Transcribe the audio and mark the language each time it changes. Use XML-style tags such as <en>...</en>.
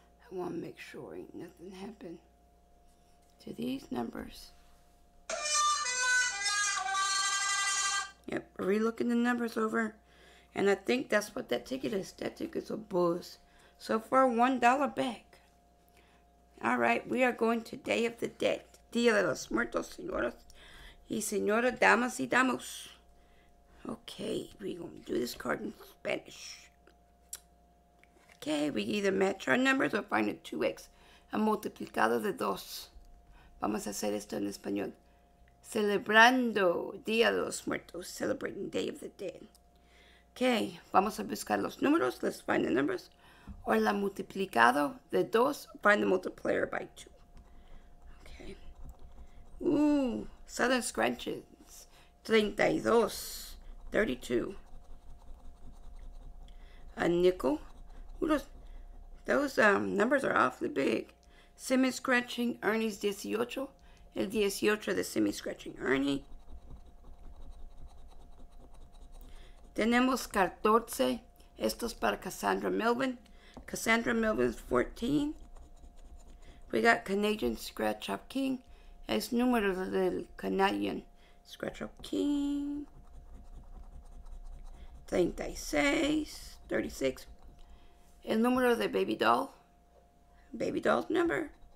<en>I want to make sure ain't nothing happened to these numbers. Yep, relooking the numbers over. And I think that's what that ticket is. That ticket's a buzz. So far, $1 back. All right, we are going to Day of the Dead.</en> <es>Dia de los Muertos, señoras y señoras, damas y damos.</es> <en>Okay, we're going to do this card in Spanish. Okay, we either match our numbers or find a 2x. A multiplicado de dos.</en> <es>Vamos a hacer esto en español. Celebrando Día de los Muertos.</es> <en>Celebrating Day of the Dead.</en> <es>Okay, vamos a buscar los números.</es> <en>Let's find the numbers.</en> <es>Or la multiplicado de dos.</es> <en>Find the multiplier by two. Okay. Ooh, Southern Scrunches. 32. 32. A nickel. Who does? Those numbers are awfully big. Semi scratching Ernie's 18. El 18 de semi scratching Ernie.</en> <es>Tenemos 14. Esto es para Cassandra Melvin.</es> <en>Cassandra Melvin's 14. We got Canadian Scratch Up King.</en> <es>Es número del Canadian Scratch Up King. 36, 36. El número de baby doll.</es> <en>Baby doll's number.</en>